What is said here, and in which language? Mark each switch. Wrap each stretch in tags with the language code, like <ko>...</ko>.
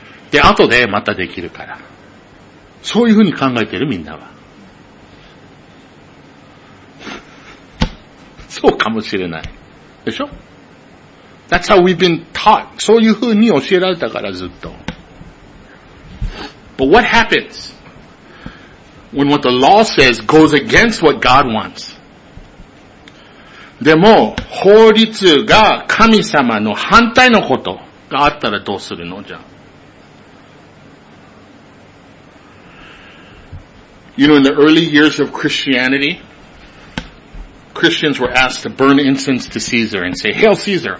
<ja>で、後でまたできるから。そういうふうに考えてるみんなは。そうかもしれない。でしょ?</ja> <en>That's how we've been taught.</en> <ja>そういう風に教えられたからずっと。</ja> <en>But what happens when what the law says goes against what God wants?</en> <ja>でも、法律が神様の反対のことがあったらどうするのじゃ。</ja> <en>You know, in the early years of Christianity,Christians were asked to burn incense to Caesar and say, Hail Caesar!</en>